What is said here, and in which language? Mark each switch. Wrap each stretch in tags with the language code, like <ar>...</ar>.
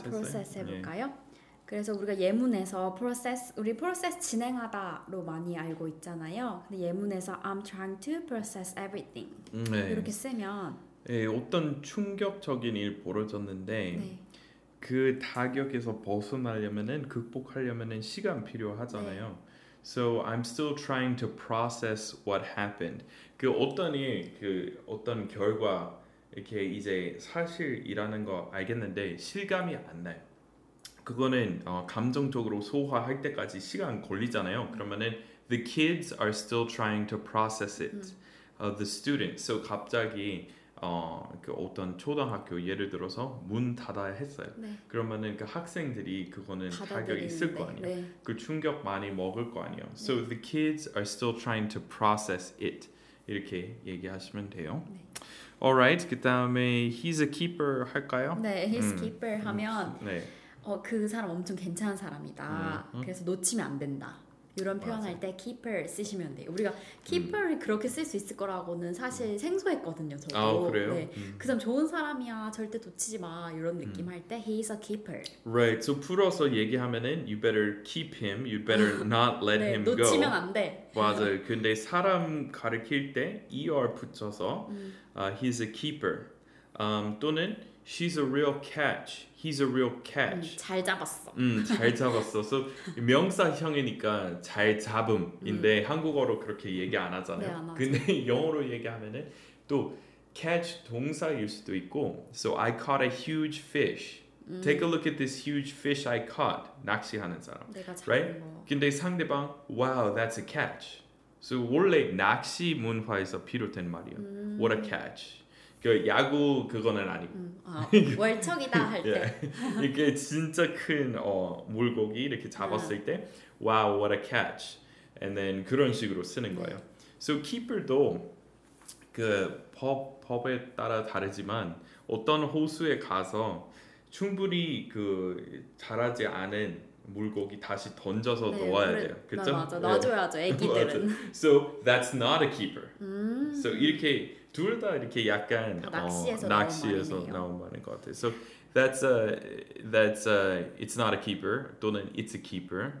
<ko>아, process 해볼까요? 네. 그래서 우리가 예문에서 process, 우리 process 진행하다 로 많이 알고 있잖아요. 근데 예문에서</ko> <en>I'm trying to process everything</en> <ko>네. 이렇게 쓰면 네, 어떤 충격적인 일 벌어졌는데 네. 그 타격에서 벗어나려면은 극복하려면은 시간 필요하잖아요. 네.</ko> <en>So I'm still trying to process what happened.</en> <ko>그 어떤 일, 그 어떤 결과 이렇게 이제 사실이라는 거 알겠는데 실감이 안 나요. 그거는 감정적으로 소화할 때까지 시간 걸리잖아요. 그러면은</ko> <en>the kids are still trying to process it. The students.</en> <ko>So 갑자기 그 어떤 초등학교 예를 들어서 문 닫아야 했어요. 네. 그러면은 그 학생들이 그거는 타격이 있을 거 아니에요. 네. 그 충격 많이 먹을 거 아니에요. 네.</ko> <en>So the kids are still trying to process it.</en> <ko>이렇게 얘기하시면 돼요. 네.</ko> <en>Alright,</en> <ko>그 다음에</ko> <en>he's a keeper</en> <ko>할까요?</ko> <en>네, he's a keeper</en> <ko>하면 네. 그 사람 엄청 괜찮은 사람이다. 그래서 놓치면 안 된다. 이런 표현할 때 keeper 쓰시면 돼요. 우리가 keeper를 그렇게 쓸 수 있을 거라고는 사실 생소했거든요. 저도. 아, 그래요? 네. 그 사람 좋은 사람이야. 절대 놓치지 마. 이런 느낌 할 때</ko> <en>he's a keeper. Right. So</en> <ko>풀어서 얘기하면은</ko> <en>you better keep him. You better not let</en> <ko>네,</ko> <en>him</en> <ko>놓치면</ko> <en>go.</en> <ko>놓치면 안 돼. 맞아요. 근데 사람 가르칠 때 er 붙여서</ko> <en>he's a keeper. 또는 She's a real catch. He's a real catch.</en> <ko>잘 잡았어. 잘 잡았어. So, 명사형이니까 잘 잡음인데 한국어로 그렇게 얘기 안 하잖아요. 네, 안 하죠. 근데 영어로 얘기하면은 또 catch 동사일 수도 있고</ko> <en>So, I caught a huge fish. Take a look at this huge fish I caught.</en> <ko>낚시하는 사람. 내가 잡은</ko> <en>right?</en> <ko>거. 근데 상대방,</ko> <en>wow, that's a catch.</en> <ko>So, 원래 낚시 문화에서 비롯된 말이에요.</ko> <en>What a catch.</en> <ko>그 야구 그거는 아니고 월척이다 할 때 yeah. 이게 진짜 큰 물고기 이렇게 잡았을 때</ko> <en>wow what a catch and then</en> <ko>그런 식으로 쓰는 거예요. So keeper도 그 법에 따라 다르지만 어떤 호수에 가서 충분히 그 자라지 않은 물고기 다시 던져서 네, 넣어야 돼요. 그쵸? 맞아, 놔줘야죠. 애기들은.</ko> <en>So that's not a keeper.</en> <ko>So 이렇게 둘 다 이렇게 약간 낚시에서 나온 말인 것 같아요.</ko> <en>So it's not a keeper</en> <ko>또는</ko> <en>it's a keeper.</en>